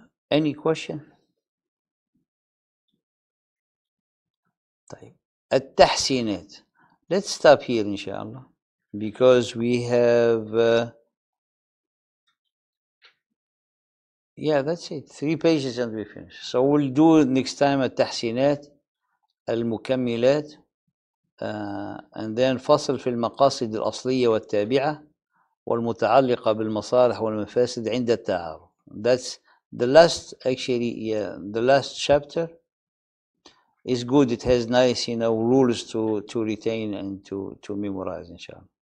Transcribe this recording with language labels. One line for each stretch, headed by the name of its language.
English: Any question?
Arabic: طيب. التحسينات.
English: Let's stop here, inshallah, because we have yeah, that's it. 3 pages and we finish. So we'll do next time التحسينات, المكملات, and then
Arabic: فصل في المقاصد الأصلية والتابعة والمتعلقة بالمصالح والمفاسد عند التعارف.
English: That's the last, actually, yeah, the last chapter is good. It has nice, you know, rules to retain and to memorize, inshallah.